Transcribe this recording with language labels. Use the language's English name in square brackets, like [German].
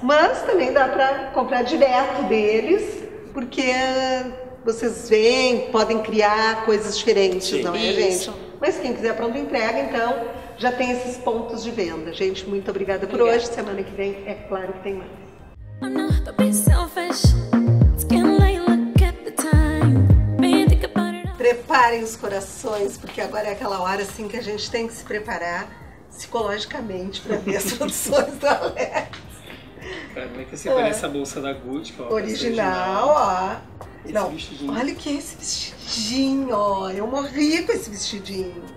[Portuguese] Mas também dá para comprar direto deles, porque vocês veem, podem criar coisas diferentes, sim, não é, isso, gente? Mas quem quiser pronta entrega, então, já tem esses pontos de venda. Gente, muito obrigada por hoje. Semana que vem, é claro que tem mais. [English] I'm not to be selfish. It's getting late, look at the time. Man, think about it all. [Portuguese] Preparem os corações, porque agora é aquela hora assim que a gente tem que se preparar psicologicamente para ver as produções da Alex. Cara, como é que você parece essa bolsa da Gucci? Original, ó. Esse não, vestidinho. Olha o que é esse vestidinho, ó. Eu morri com esse vestidinho.